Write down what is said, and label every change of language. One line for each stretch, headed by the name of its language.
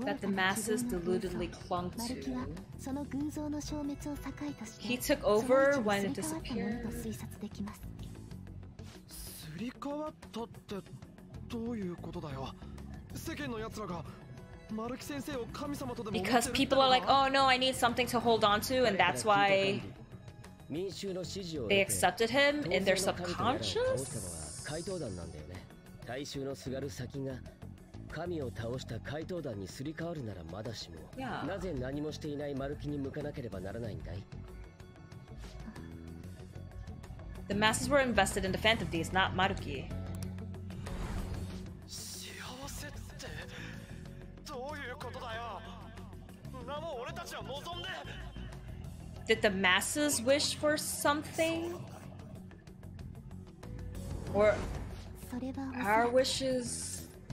English: That the masses deludedly clung to.
Japanese: マルキはその偶像の消滅を境とし
English: He took over when it disappeared.
Japanese: 推察できます。すり替わったってどういうことだよ。世間の奴らがマルキ先生を神様とでも
English: Because people are like, oh no, I need something to hold on to, and that's why they accepted him in their subconscious.
Japanese: 神を倒した怪盗団にすり替わるならまだしも、
English: yeah.
Japanese: なぜ何もしていないマルキに向かなければならないんだい
English: The masses were invested in the Phantom Thieves, not Maruki.
Japanese: 幸せってどういうことだよ何も俺たちは望んで
English: Did the masses wish for something? Or our wishes?